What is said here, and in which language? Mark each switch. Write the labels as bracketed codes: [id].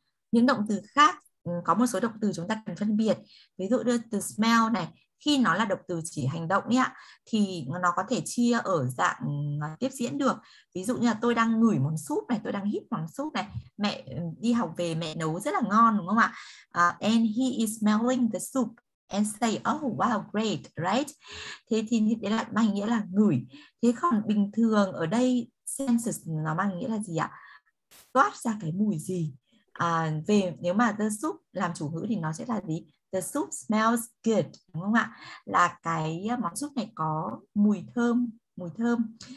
[vi] Những động từ khác, có một số động từ chúng ta cần phân biệt. Ví dụ đưa từ smell này, khi nó là động từ chỉ hành động ấy ạ, thì nó có thể chia ở dạng tiếp diễn được. Ví dụ như là tôi đang ngửi món súp này, tôi đang hít món súp này, mẹ đi học về mẹ nấu rất là ngon đúng không ạ? [en] And he is smelling the soup and say, oh wow, great, right? [vi] Thế thì đấy lại mang nghĩa là ngửi. Thế còn bình thường ở đây senses nó mang nghĩa là gì ạ? Toát ra cái mùi gì? Về nếu mà the soup làm chủ ngữ thì nó sẽ là gì? [en] The soup smells good, [vi] đúng không ạ? Là cái món súp này có mùi thơm, mùi thơm.